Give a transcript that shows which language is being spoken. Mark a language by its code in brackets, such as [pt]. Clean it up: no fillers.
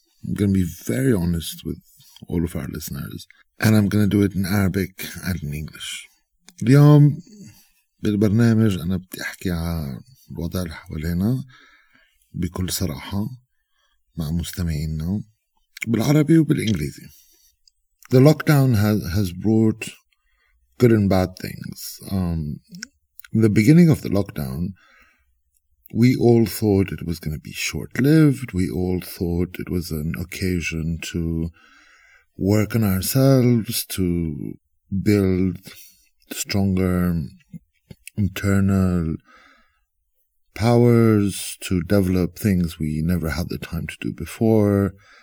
[en] I'm going to be very honest with all of our listeners. And I'm going to do it in Arabic and in English. [ar] اليوم بالبرنامج أنا بدي أحكي عن الوضع اللي حوالينا بكل صراحة مع مستمعينا بالعربي وبالإنجليزي. [en] The lockdown has brought good and bad things. In the beginning of the lockdown, we all thought it was going to be short-lived. We all thought it was an occasion to work on ourselves, to build stronger internal powers, to develop things we never had the time to do before.